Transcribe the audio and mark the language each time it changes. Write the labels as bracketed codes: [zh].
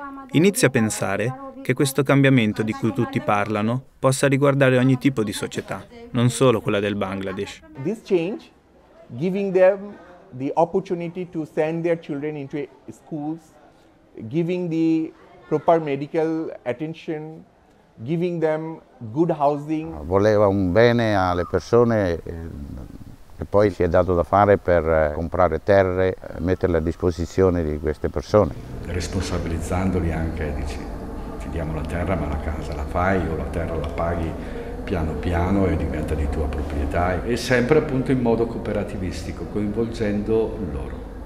[it] Inizia a pensare che questo cambiamento di cui tutti parlano possa riguardare ogni tipo di società, non solo quella del Bangladesh. [en] This change, giving them the opportunity to send their children into schools, giving the proper medical attention, giving them good housing. [it] Voleva un bene alle persone che poi si è dato da fare per comprare terre, metterle a disposizione di queste persone. Responsabilizzandoli anche, dici, ti diamo la terra ma la casa la fai o la terra la paghi piano piano e diventa di tua proprietà, e sempre appunto in modo cooperativistico, coinvolgendo loro.